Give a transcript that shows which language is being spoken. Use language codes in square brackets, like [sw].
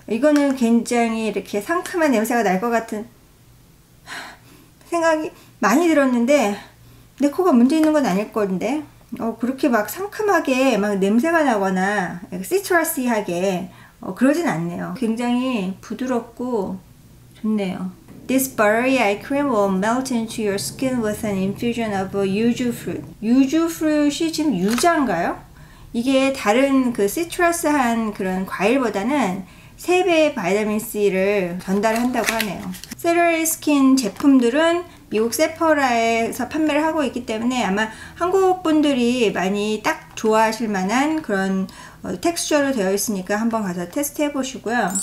[ko] 이거는 굉장히 이렇게 상큼한 냄새가 날 것 같은 생각이 많이 들었는데, 내 코가 문제 있는 건 아닐 건데, 그렇게 막 상큼하게 막 냄새가 나거나 시트러시하게 그러진 않네요. 굉장히 부드럽고 좋네요. [en] This buttery eye cream will melt into your skin with an infusion of a yuzu fruit. [ko] Yuzu fruit이 지금 유자인가요? 이게 다른 그 시트러스한 그런 과일보다는 3배의 바이타민 C를 전달한다고 하네요. 세르레이 스킨 제품들은 미국 세퍼라에서 판매를 하고 있기 때문에 아마 한국분들이 많이 딱 좋아하실 만한 그런 텍스처로 되어 있으니까 한번 가서 테스트 해보시고요.